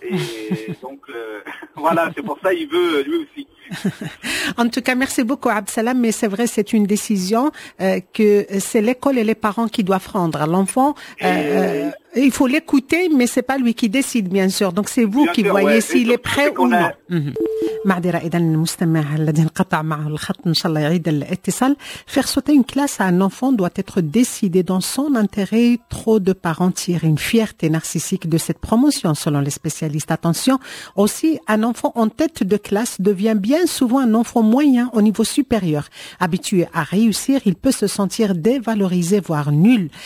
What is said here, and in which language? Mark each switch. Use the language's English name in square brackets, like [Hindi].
[French] Et donc, voilà, c'est pour ça qu'il veut lui aussi. En tout cas, merci beaucoup, Abdissalam, mais c'est vrai, c'est une décision que c'est l'école et les parents qui doivent prendre. L'enfant, il faut l'écouter, mais c'est pas lui qui décide, bien sûr. Donc, c'est vous qui voyez s'il est prêt ou non. [Arabic] معذرة إذن المستمع الذي انقطع معه الخط إن شاء الله يعيد الاتصال. [French] Faire sauter une classe à un enfant doit être décidé dans son intérêt. Trop de parents tirent une fierté narcissique de cette promotion, selon les spécialistes. Attention, aussi, un enfant en tête de classe devient bien souvent un enfant moyen au niveau supérieur. Habitué à réussir, il peut se sentir dévalorisé, voire nul.